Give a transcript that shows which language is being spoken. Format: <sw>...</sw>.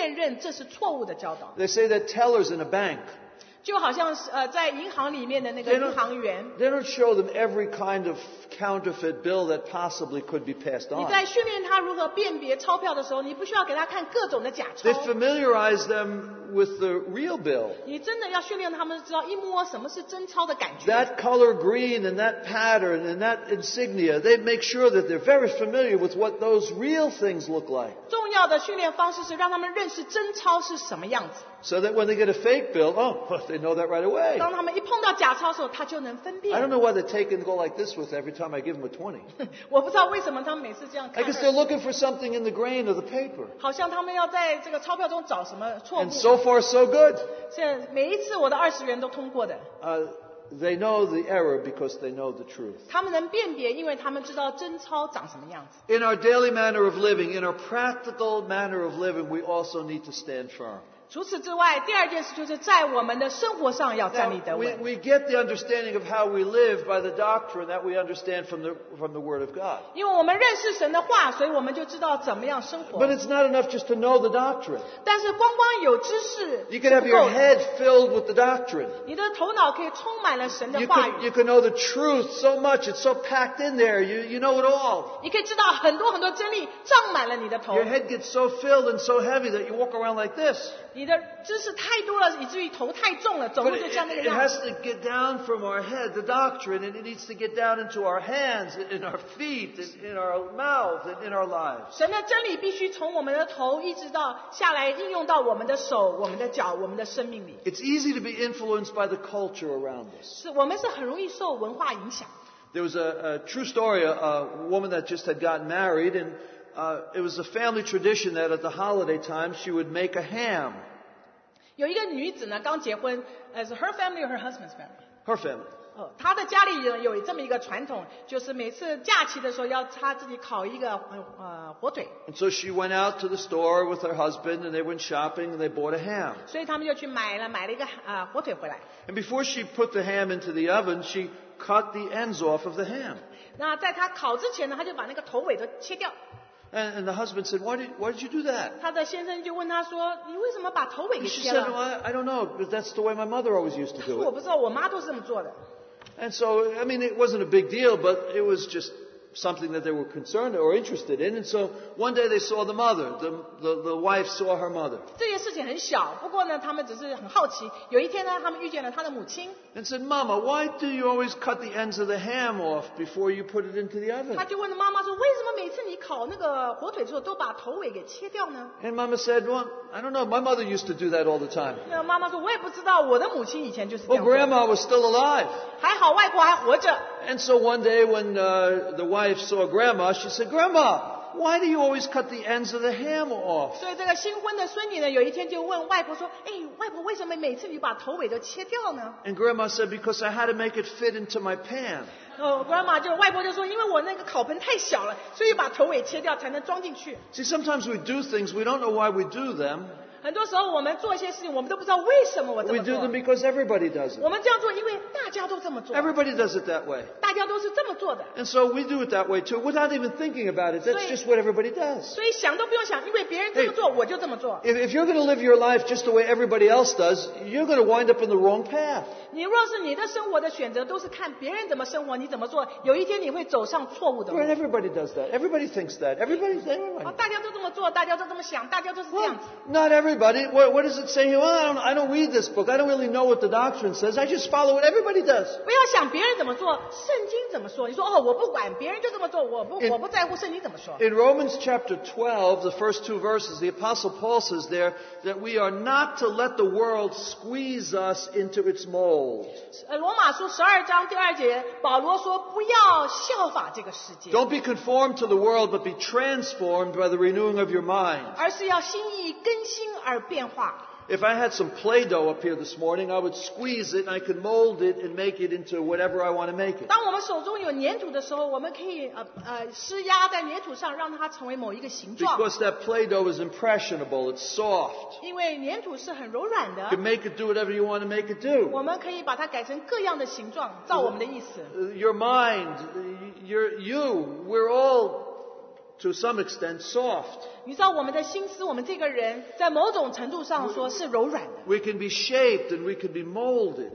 <zh>我知道圣经怎么说的，我就立刻能辨认这是错误的教导。</zh> <en>They say that tellers in a bank.</en> <zh>就好像在银行里面的那个银行员，</zh> <en>they don't show them every kind of counterfeit bill that possibly could be passed on.</en> <zh>你在训练他如何辨别钞票的时候，你不需要给他看各种的假钞。</zh> <en>They familiarize them with the real bill.</en> <zh>你真的要训练他们知道一摸什么是真钞的感觉。</zh> <en>That color green and that pattern and that insignia, they make sure that they're very familiar with what those real things look like.</en> <zh>重要的训练方式是让他们认识真钞是什么样子。</zh> <en>So that when they get a fake bill, oh, they know that right away.</en> <zh>当他们一碰到假钞的时候，他就能分辨。</zh> <en>I don't know why they take and go like this with every time I give them a 20.</en> <zh>我不知道为什么他们每次这样看。</zh> <en>I guess they're looking for something in the grain of the paper.</en> <zh>好像他们要在这个钞票中找什么错误。</zh> <en>And so far, so good.</en> <zh>现在每一次我的20元都通过的。</zh> <en>They know the error because they know the truth.</en> <zh>他们能辨别，因为他们知道真钞长什么样子。</zh> <en>In our daily manner of living, in our practical manner of living, we also need to stand firm.</en> <zh>除此之外，第二件事就是在我们的生活上要站立得稳。</zh> <en>Now, we get the understanding of how we live by the doctrine that we understand from the Word of God.</en> <zh>因为我们认识神的话，所以我们就知道怎么样生活。</zh> <en>But it's not enough just to know the doctrine.</en> <zh>但是光光有知识是不够的。</zh> <en>You can have your head filled with the doctrine.</en> <zh>你的头脑可以充满了神的话语。</zh> <en>You can know the truth so much, it's so packed in there, you know it all.</en> <zh>你可以知道很多很多真理，胀满了你的头。</zh> <en>Your head gets so filled and so heavy that you walk around like this.</en> <zh>你的知识太多了，以至于头太重了，走路就像那个样子。</zh> <en>It has to get down from our head, the doctrine, and it needs to get down into our hands, in our feet, in our mouth, and in our lives.</en> <zh>神的真理必须从我们的头一直到下来，应用到我们的手、我们的脚、我们的生命里。</zh> <en>It's easy to be influenced by the culture around us.</en> <zh>是我们是很容易受文化影响。</zh> <en>There was a true story, a woman that just had gotten married and. It was a family tradition that at the holiday time she would make a ham.</en> <zh>有一个女子呢，刚结婚，是</zh> <en>her family or her husband's family? Her family.</en> <zh>她的家里有这么一个传统，就是每次假期的时候要她自己烤一个火腿。</zh> <en>And so she went out to the store with her husband and they went shopping and they bought a ham.</en> <zh>所以他们就去买了一个火腿回来。</zh> <en>And before she put the ham into the oven, she cut the ends off of the ham.</en> <zh>那在她烤之前呢，她就把那个头尾都切掉。</zh> <en>And the husband said, why did you do that?</en> <zh>他的先生就问他说，你为什么把头尾给切了？</zh> <en>She said, no, I don't know, but that's the way my mother always used to do it.</en> <zh>我不知道，我妈都是这么做的。</zh> <en>And so, I mean, it wasn't a big deal, but it was just something that they were concerned or interested in. And so, one day they saw the mother, the wife saw her mother.</en> <zh>这件事情很小，不过呢，他们只是很好奇。有一天呢，他们遇见了他的母亲。</zh> <en>And said, Mama, why do you always cut the ends of the ham off before you put it into the oven?</en> <zh>他就问妈妈说，为什么每次你烤那个火腿的时候都把头尾给切掉呢？</zh> <en>And Mama said, well, I don't know, my mother used to do that all the time.</en> <zh>妈妈说，我也不知道，我的母亲以前就是这样。</zh> <en>Well, Grandma was still alive.</en> <zh>还好外婆还活着。</zh> <en>And so one day when the wife saw Grandma, she said, Grandma, why do you always cut the ends of the ham off?</en> <zh>所以这个新婚的孙女呢，有一天就问外婆说，哎，外婆为什么每次你把头尾都切掉呢？</zh> <en>And Grandma said, because I had to make it fit into my pan.</en> <zh>Grandma 就外婆就说，因为我那个烤盆太小了，所以把头尾切掉才能装进去。</zh> <en>See, sometimes we do things we don't know why we do them.</en> <zh>很多时候我们做一些事情，我们都不知道为什么我这么做。</zh> <en>We do them because everybody does it.</en> <zh>我们这样做，因为大家都这么做。</zh> <en>Everybody does it that way.</en> <zh>大家都是这么做的。</zh> <en>And so we do it that way too, without even thinking about it. That's just what everybody does.</en> <zh>所以想都不用想，因为别人这么做，我就这么做。</zh> <en>If you're going to live your life just the way everybody else does, you're going to wind up in the wrong path.</en> <zh>你若是你的生活的选择都是看别人怎么生活，你怎么做，有一天你会走上错误的路。</zh> <en>Right, everybody does that. Everybody thinks that. Everybody.</en> <zh>大家都这么做，大家都这么想，大家都是这样子。</zh> <en>Well, not everybody. What does it say here? Well, I don't read this book. I don't really know what the doctrine says. I just follow what everybody does.</en> <zh>不要想别人怎么做，圣经怎么说？你说哦，我不管别人就这么做，我不在乎圣经怎么说。</zh> <en>In Romans chapter 12, the first two verses, the Apostle Paul says there that we are not to let the world squeeze us into its mold.</en> <zh>罗马书十二章第二节，保罗说：“不要效法这个世界。”</zh> <en>Don't be conformed to the world, but be transformed by the renewing of your mind.</en> <zh>而是要心意更新而变化。</zh> <en>If I had some Play-Doh up here this morning, I would squeeze it and I could mold it and make it into whatever I want to make it.</en> <zh>当我们手中有粘土的时候，我们可以施压在粘土上，让它成为某一个形状。</zh> <en>Because that Play-Doh is impressionable, it's soft.</en> <zh>因为粘土是很柔软的。</zh> <en>You can make it do whatever you want to make it do.</en> <zh>我们可以把它改成各样的形状，照我们的意思。</zh> <en>Your mind, we're all... To some extent, soft.</en> <zh>你知道我们的心思，我们这个人在某种程度上说是柔软的。</zh> <en>We can be shaped and we can be molded.</en>